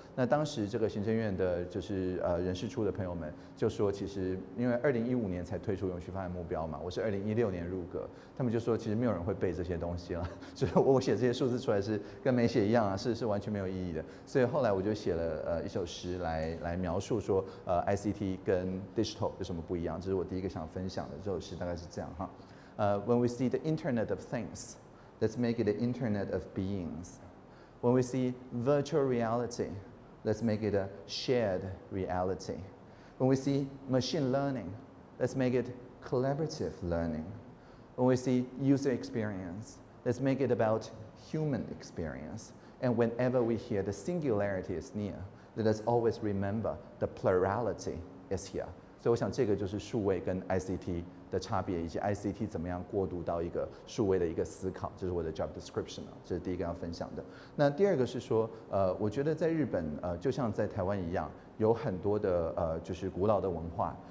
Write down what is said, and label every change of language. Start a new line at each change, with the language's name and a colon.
Chinese: 那当时这个行政院的就是人事处的朋友们就说，其实因为2015年才推出永续发展目标嘛，我是2016年入阁，他们就说其实没有人会背这些东西了，所以我写这些数字出来是跟没写一样啊，是完全没有意义的。所以后来我就写了一首诗来描述说ICT 跟 digital 有什么不一样，这是我第一个想分享的这首诗，大概是这样哈。
English: When we see the Internet of Things. Let's make it an internet of beings. When we see virtual reality, let's make it a shared reality. When we see machine learning, let's make it collaborative learning. When we see user experience, let's make it about human experience. And whenever we hear the singularity is near, let us always remember the plurality is here.
Chinese: 所以我想这个就是数位跟 ICT 的差别，以及 ICT 怎么样过渡到一个数位的一个思考，这是我的 job description， 这是第一个要分享的。那第二个是说，我觉得在日本，就像在台湾一样，有很多的就是古老的文化。